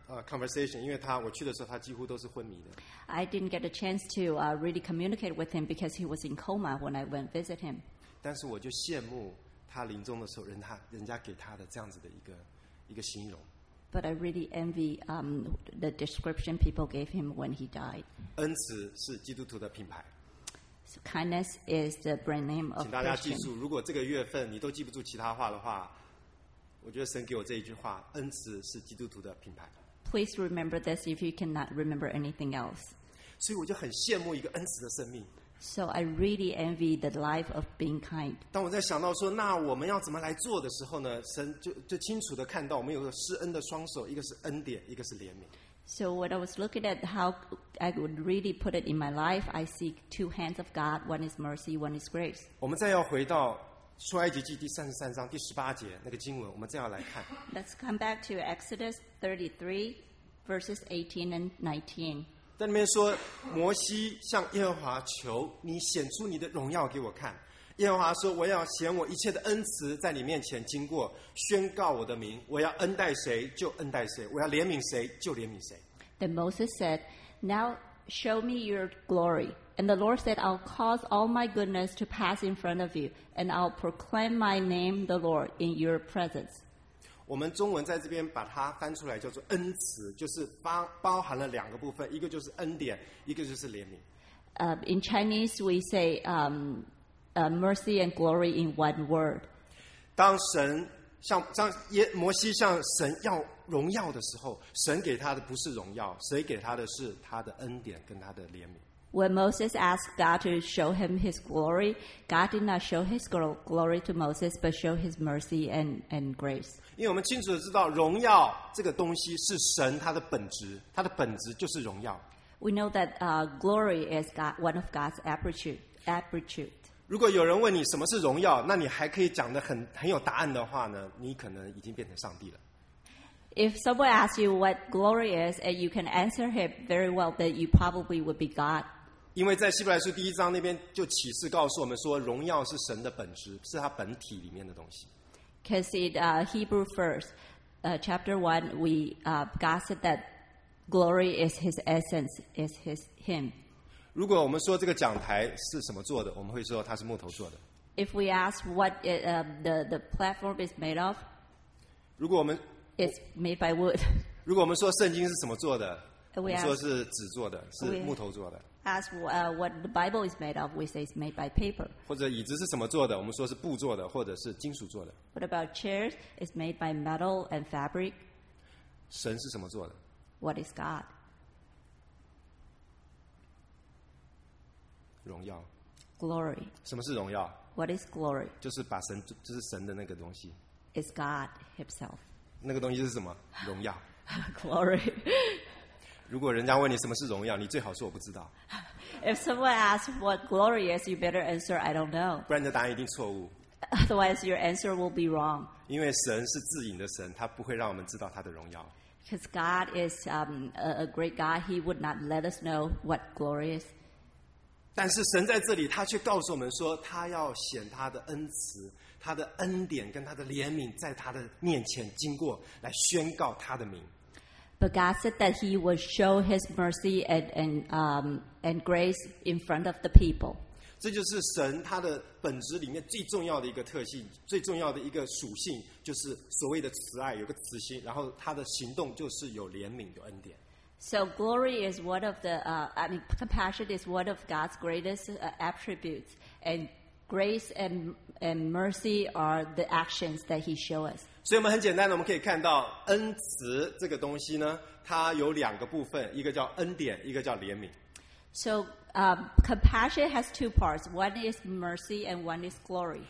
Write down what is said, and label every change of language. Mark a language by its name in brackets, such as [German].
[Chinese] Conversation, 因为他我去的时候，他几乎都是昏迷的。 [English] I didn't get a chance to really communicate with him because he was in coma when I went visit him. [Chinese] 但是我就羡慕他临终的时候，人家给他的这样子的一个形容。 [English] But I really envy the description people gave him when he died. [Chinese] 恩慈是基督徒的品牌。 [English] So kindness is the brand name of. [Chinese] 请大家记住，如果这个月份你都记不住其他话的话，我觉得神给我这一句话，恩慈是基督徒的品牌。 [English] Please remember this if you cannot remember anything else. [Chinese] 所以我就很羡慕一个恩慈的生命。 [English] So I really envy the life of being kind. [Chinese] 当我在想到说，那我们要怎么来做的时候呢？神就清楚的看到我们有个施恩的双手，一个是恩典，一个是怜悯。 [English] So when I was looking at how I would really put it in my life, I see two hands of God. One is mercy, one is grace. [Chinese] 我们再要回到出埃及记第三十三章第十八节那个经文，我们这样来看。 [English] Let's come back to Exodus 33, verses 18 and 19. [Chinese] 在那边说，摩西向耶和华求：“你显出你的荣耀给我看。” 耶和华说：“我要显我一切的恩慈在你面前经过，宣告我的名。我要恩待谁就恩待谁，我要怜悯谁就怜悯谁。” [English] Then Moses said, "Now show me your glory." And the Lord said, I'll cause all my goodness to pass in front of you, and I'll proclaim my name, the Lord, in your presence. [Chinese] 我们中文在这边把它翻出来叫做恩慈，就是包含了两个部分，一个就是恩典，一个就是怜悯。 [English] In Chinese, we say mercy and glory in one word. [Chinese] 当神向当耶摩西向神要荣耀的时候，神给他的不是荣耀，神给他的是他的恩典跟他的怜悯。 [English] When Moses asked God to show him his glory, God did not show his glory to Moses, but show his mercy and grace. [Chinese] 因为我们清楚地知道，荣耀这个东西是神他的本质，他的本质就是荣耀。 [English] We know that glory is God, one of God's attribute. [Chinese] 如果有人问你什么是荣耀，那你还可以讲得很有答案的话呢，你可能已经变成上帝了。 [English] If someone asks you what glory is, and you can answer him very well, then you probably would be God. [Chinese] 因为在希伯来书第一章那边就启示告诉我们说，荣耀是神的本质，是他本体里面的东西。 [English] Because in Hebrew first, chapter 1, God said that glory is his essence, is his him. [Chinese] 如果我们说这个讲台是什么做的，我们会说它是木头做的。 [English] If we ask what it, the platform is made of, [Chinese] 如果我们 [English] It's made by wood. [Chinese] 如果我们说圣经是什么做的，我们说是纸做的，是木头做的。 [English] As what the Bible is made of, we say it's made by paper. [Chinese] 或者椅子是什么做的，我们说是布做的，或者是金属做的。 [English] What about chairs? It's made by metal and fabric. [Chinese] 神是什么做的 [English] ？What is God? [Chinese] 荣耀。 [English] Glory. [Chinese] 什么是荣耀 [English] ？What is glory? [Chinese] 就是把神，就是神的那个东西。 [English] It's God Himself. [Chinese] 那个东西是什么？荣耀。 [English] Glory。 [Chinese] 如果人家问你什么是荣耀，你最好说我不知道。 [English] If someone asks what glory is, you better answer I don't know. [Chinese] 不然你的答案一定错误。 [English] Otherwise, your answer will be wrong. [Chinese] 因为神是自隐的神，他不会让我们知道他的荣耀。 [English] Because God is a great God, He would not let us know what glory is. [Chinese] 但是神在这里，他却告诉我们说，他要显他的恩慈。他的恩典跟他的怜悯在他的面前经过，来宣告他的名。 [English] But God said that He would show His mercy and grace in front of the people. [Chinese] 这就是神他的本质里面最重要的一个特性，最重要的一个属性，就是所谓的慈爱，有个慈心，然后他的行动就是有怜悯，有恩典。 [English] So glory is one of the, compassion is one of God's greatest attributes, and grace and mercy are the actions that He show us. [Chinese] 所以我们很简单的，我们可以看到恩慈这个东西呢，它有两个部分，一个叫恩典，一个叫怜悯。 [English] So compassion has two parts. One is mercy and one is glory.